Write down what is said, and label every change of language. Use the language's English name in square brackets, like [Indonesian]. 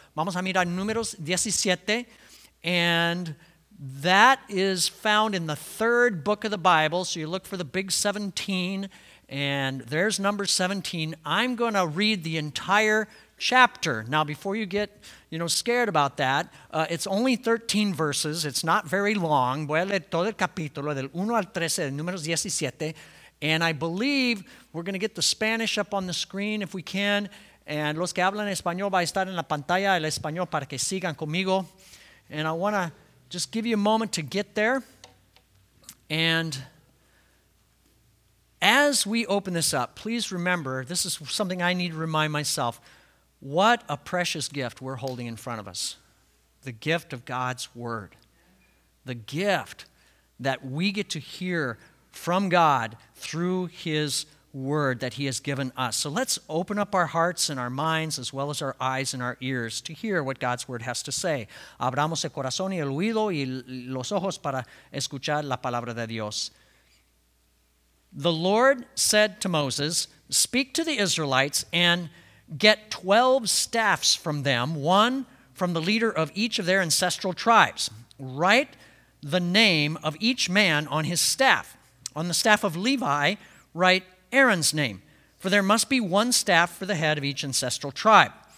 [Spanish] Vamos a mirar Números 17. [English] And that is found in the third book of the Bible. So you look for the big 17, and there's Numbers 17. I'm going to read the entire chapter. Now, before you get, you know, scared about that, it's only 13 verses. It's not very long. [Spanish] Voy a leer todo el capítulo del 1 al 13 de Números 17. [English] And I believe we're going to get the Spanish up on the screen if we can. [Spanish] And los que hablan español va a estar en la pantalla el español para que sigan conmigo. [English] And I want to just give you a moment to get there. And as we open this up, please remember, this is something I need to remind myself. What a precious gift we're holding in front of us. The gift of God's Word. The gift that we get to hear from God through His Word that He has given us. So let's open up our hearts and our minds as well as our eyes and our ears to hear what God's Word has to say. [Spanish] Abramos el corazón y el oído y los ojos para escuchar la palabra de Dios. [English] The Lord said to Moses, "Speak to the Israelites and get 12 staffs from them, one from the leader of each of their ancestral tribes. Write the name of each man on his staff. On the staff of Levi, write Aaron's name, for there must be one staff for the head of each ancestral tribe.